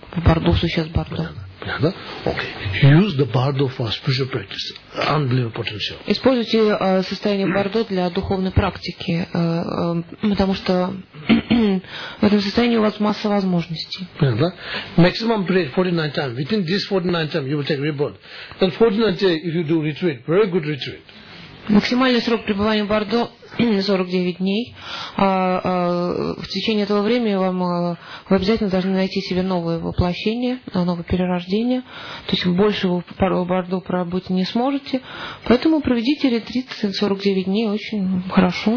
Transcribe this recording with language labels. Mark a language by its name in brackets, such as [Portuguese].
[Russian] В бардо сейчас бардо. Да? [English] Okay. Use the bardo for spiritual practice. Unbelievable potential. [Russian] Используйте состояние бардо для духовной практики, потому что в этом состоянии у вас масса возможностей. Понятно, да? [English] Maximum prayer 49 times. Within this 49 times you will take rebirth. Then 49 days if you do retreat, very good retreat. [Russian] Максимальный срок пребывания в бардо 49 дней. В течение этого времени вы обязательно должны найти себе новое воплощение, новое перерождение. То есть больше вы в бардо пробыть не сможете. Поэтому проведите ретрит 49 дней очень хорошо.